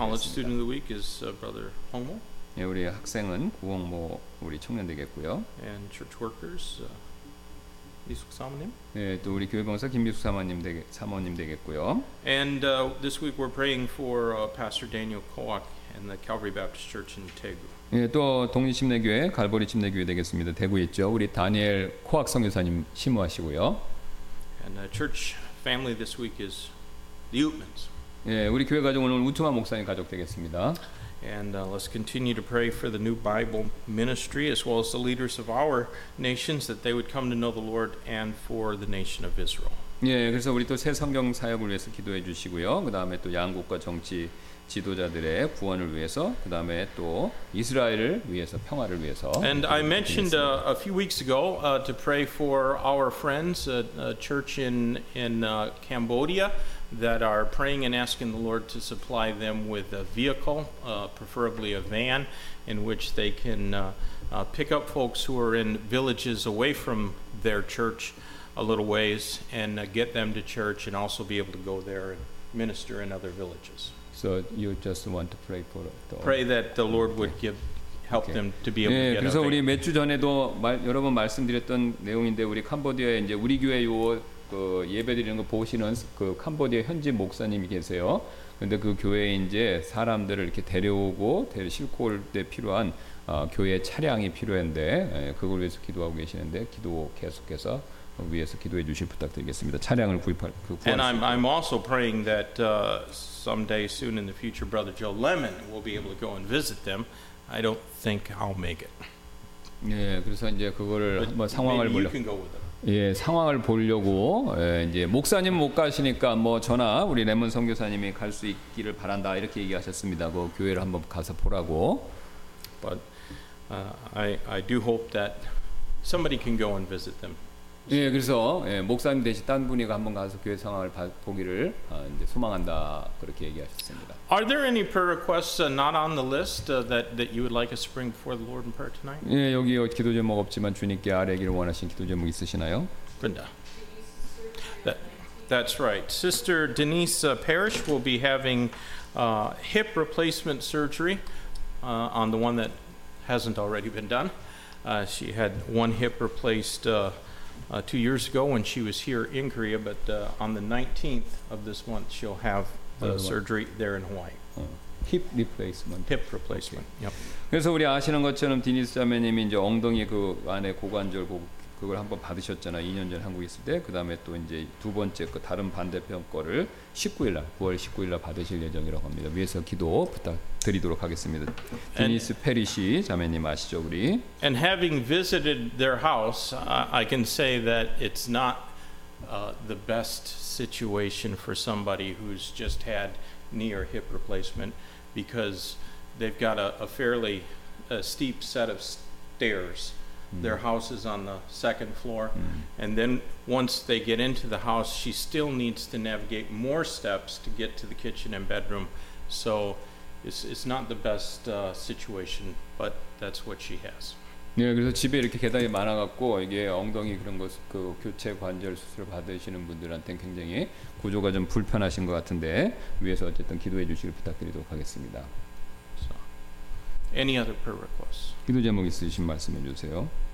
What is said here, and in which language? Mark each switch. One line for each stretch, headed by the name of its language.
English: Our college student of the week is Brother Hongmo.
Korean: 예, 우리 학생은 구홍모 우리 청년 되겠고요.
English: And church workers, 미숙 사모님.
Korean: 예, 또 우리 교회 봉사 김미숙 사모님 되겠고요.
English: And this week we're praying for Pastor Daniel Kowak and the Calvary Baptist Church in Daegu.
Korean: 예, 또 독립침례교회 갈보리 침례교회 되겠습니다. 대구 있죠. 우리 다니엘 코악 선교사님 심호하시고요.
English: And the church family this week is the Oetmans.
Korean: 예, 우리 교회 가족은 오늘 우트만 목사님 가족 되겠습니다.
English: And let's continue to pray for the new Bible ministry as well as the leaders of our nations that they would come to know the Lord and for the nation of Israel.
Korean: 예, 그래서 우리 또 새 성경 사역을 위해서 기도해 주시고요. 그다음에 또 양국과 정치 지도자들의 구원을 위해서 그다음에 또 이스라엘을 위해서 평화를 위해서
English: And I mentioned a few weeks ago to pray for our friends a church in Cambodia that are praying and asking the Lord to supply them with a vehicle preferably a van in which they can pick up folks who are in villages away from their church a little ways and get them to church and also be able to go there and minister in other villages. So you just want to pray for pray that the Lord would give help them to be able
Korean: 예,
English: to get.
Korean: 그래서 우리 몇 주 전에도 여러 번 말씀드렸던 내용인데 우리 캄보디아에 이제 우리 교회 요 그 예배드리는 거 보시는 그 캄보디아 현지 목사님이 계세요. 그런데 그 교회에 이제 사람들을 이렇게 데려오고 실고 올 때 필요한 교회 차량이 필요한데 그걸 위해서 기도하고 계시는데 기도 계속해서. 위에서 기도해 주실 부탁드리겠습니다. 차량을 구입할 그 구할
English: And I'm also praying that someday soon in the future brother Joe Lemon will be able to go and visit them. I don't think I'll make it.
Korean: 예, 그래서 이제 그거를 한번 상황을 보려고
English: You can go with them.
Korean: 예, 상황을 보려고 예, 이제 목사님 못 가시니까 뭐 저나 우리 레몬 선교사님이 갈 수 있기를 바란다 이렇게 얘기하셨습니다. 그 교회를 한번 가서 보라고.
English: But I do hope that somebody can go and visit them.
Korean: 예, 그래서 예, 목사님 대신 딴 분이 한번 가서 교회 상황을 보기를 이제 소망한다 그렇게 얘기하셨습니다.
English: Are there any prayer requests not on the list that you would like us to bring before the Lord in prayer tonight?
Korean: 예, 여기 기도 제목 없지만 주님께 아뢰기를 원하신 기도 제목 있으시나요? 그렇다.
English: That's right. Sister Denise Parrish will be having hip replacement surgery on the one that hasn't already been done. She had one hip replaced. 2 years ago when she was here in Korea, but on the 19th of this month, she'll have the surgery there in Hawaii. Hip replacement. Hip replacement, okay. yep.
Korean: 그래서 우리 아시는 것처럼 디니스 자매님이 이제 엉덩이 그 안에 고관절 그걸 한번 받으셨잖아요. 2년 전에 한국에 있을 때. 그 다음에 또 이제 두 번째 그 다른 반대편 거를 9월 19일 날 받으실 예정이라고 합니다. 위에서 기도 부탁드리도록 하겠습니다. 디니스 페리시 자매님 아시죠, 우리?
English: And having visited their house, I can say that it's not the best situation for somebody who's just had knee or hip replacement because they've got a fairly a steep set of stairs. Their house is on the second floor. And then once they get into the house, she still needs to navigate more steps to get to the kitchen and bedroom. So it's not the best situation, but that's what she has.
Korean: 네, 그래서 집에 이렇게 계단이 많아갖고 이게 엉덩이 그런 것, 그 교체 관절 수술 받으시는 분들한테 굉장히 구조가 좀 불편하신 것 같은데 위에서 어쨌든 기도해 주시길 부탁드리도록 하겠습니다.
English: Any other prayer requests?
Korean: 기도 제목 있으신 말씀해 주세요.